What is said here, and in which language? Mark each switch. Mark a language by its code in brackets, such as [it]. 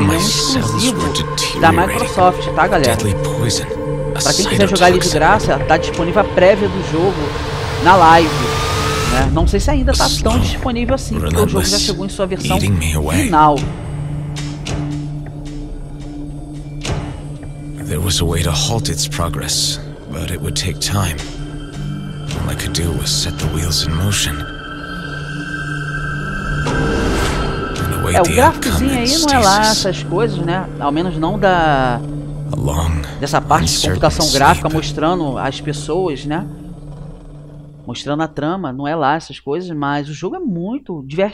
[pt] Ele é um exclusivo da Microsoft, tá, galera? Pra quem quiser jogar ali de graça, tá disponível a prévia do jogo na live, né? Não sei se ainda tá tão disponível assim, porque o jogo já chegou em sua versão final. [en] There was a way to halt its progress, but it would take time. All I could do was set the wheels in motion. [pt] É, o gráficozinho aí não é lá essas coisas, né? Ao menos não da... dessa parte de computação gráfica mostrando as pessoas, né? Mostrando a trama, não é lá essas coisas, mas o jogo é muito...